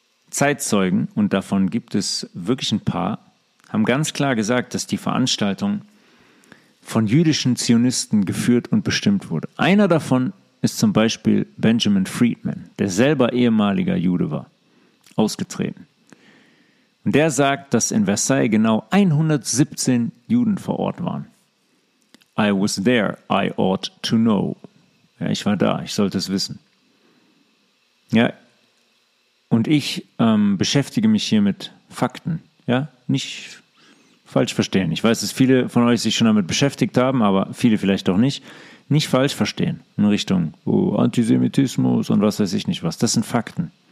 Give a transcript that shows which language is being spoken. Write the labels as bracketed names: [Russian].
[German] Zeitzeugen, und davon gibt es wirklich ein paar, haben ganz klar gesagt, dass die Veranstaltung von jüdischen Zionisten geführt und bestimmt wurde. Einer davon ist zum Beispiel Benjamin Friedman, der selber ehemaliger Jude war, ausgetreten. Und der sagt, dass in Versailles genau 117 Juden vor Ort waren. [English] I was there, I ought to know. [German] Ja, ich war da, ich sollte es wissen. Ja, und ich beschäftige mich hier mit Fakten. Ja, nicht falsch verstehen. Ich weiß, dass viele von euch sich schon damit beschäftigt haben, aber viele vielleicht auch nicht. Nicht falsch verstehen in Richtung Antisemitismus und was weiß ich nicht was. Das sind Fakten.